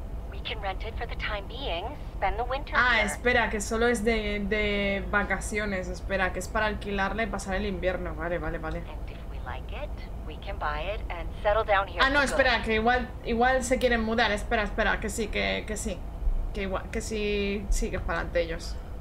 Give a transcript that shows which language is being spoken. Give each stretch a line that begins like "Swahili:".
English: We can rent it for the time being, spend the winter ah, here.
Spanish: Ah, espera, que solo es de vacaciones, espera, que es para alquilarla y pasar el invierno, vale, vale, vale.
English: And if we like it, we can buy it and settle down here.
Spanish: Ah, no, espera, que igual se quieren mudar, espera, que sí, que sí. Que igual, que sí, que es para ellos.